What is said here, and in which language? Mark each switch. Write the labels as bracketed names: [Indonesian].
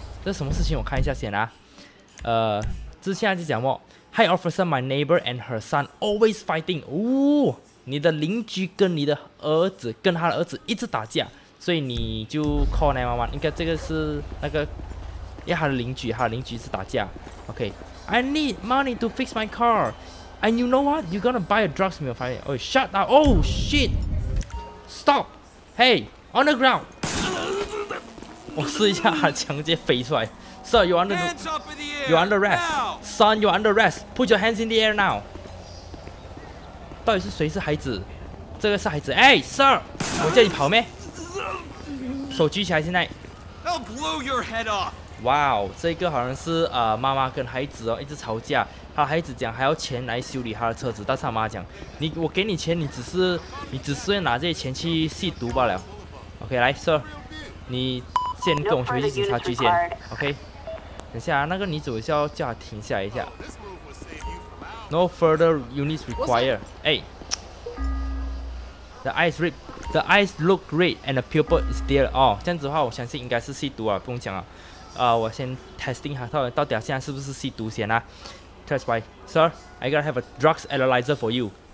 [Chinese] 这是什么事情？我看一下先啊。之前就讲过 [English] ，Hey officer, my neighbor and her son always fighting. [Chinese] 你的邻居跟你的儿子跟他的儿子一直打架，所以你就 call 911。应该这个是那个，因为他的邻居一直打架。 [English] OK。 I need money to fix my car. And you know what? You're gonna buy a drugs from your family. Oh, shut up. Oh, shit. Stop. Hey, on the ground. [Chinese] 我试一下，他枪直接飞出来。 [English] Sir, you're under the air. You're under arrest. Son, you're under arrest. Put your hands in the air now. [Chinese] 到底是谁是孩子？这个是孩子。 [English] Hey, sir. [Chinese] 我叫你跑咩？手举起来，现在。 [English] I'll blow your head off. [Chinese] 哇哦，这个好像是妈妈跟孩子哦一直吵架，他孩子讲还要钱来修理他的车子，但是他妈讲，我给你钱，你只是拿这些钱去吸毒罢了。 OK， 来 ，Sir， 你先跟我去警察局先。 OK， 等下那个女主要叫她停下一下。 [English] No further units required。哎 ，The eyes red, the eyes look red, and the pupil is there. [Chinese] 哦，这样子的话，我相信应该是吸毒啊，不用讲了。我先 testing 好，到底他现在是不是吸毒先啊 ？ [English] Test why, sir? I gotta have a drugs analyzer for you.